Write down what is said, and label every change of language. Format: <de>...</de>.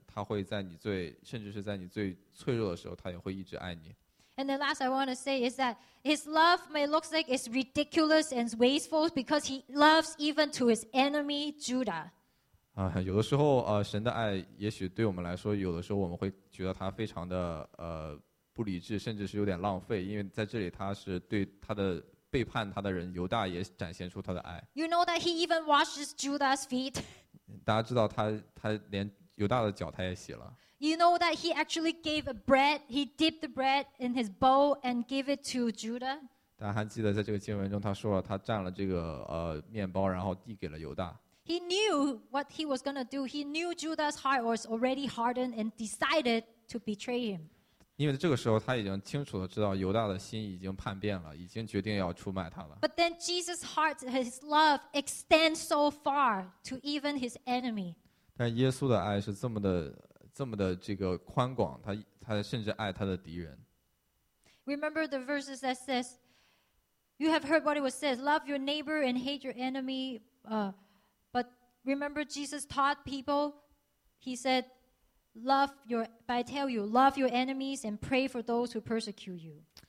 <zh>他会在你最，甚至是在你最脆弱的时候，他也会一直爱你。</zh> <en>And the last I want to say is that his love may look like it's ridiculous and wasteful because he loves even to his enemy, Judah.</en> <zh>有的时候神的爱也许对我们来说，有的时候我们会觉得他非常的不理智，甚至是有点浪费，因为在这里他是对他的背叛他的人犹大也展现出他的爱。</zh> <en>You know that he even washes Judah's feet?</en> <zh>大家知道他连犹大的脚他也洗了。</zh> <en>You know that he actually gave a bread, he dipped the bread in his bowl and gave it to Judah?</en> <zh>大家还记得在这个经文中他说了他蘸了这个面包然后递给了犹大。</zh> <en>He knew what he was going to do. He knew Judah's heart was already hardened and decided to betray him.</en> <zh>因为这个时候他已经清楚地知道犹大的心已经叛变了，已经决定要出卖他了。</zh> <en>But then Jesus' heart, his love extends so far to even his enemy.</en> <zh>但耶稣的爱是这么的这个宽广，他甚至爱他的敌人。</zh> <en>Remember the verses that says, "You have heard what it was said: Love your neighbor and hate your enemy." But remember, Jesus taught people. He said, "Love your," I tell you, "Love your enemies and pray for those who persecute you."</en>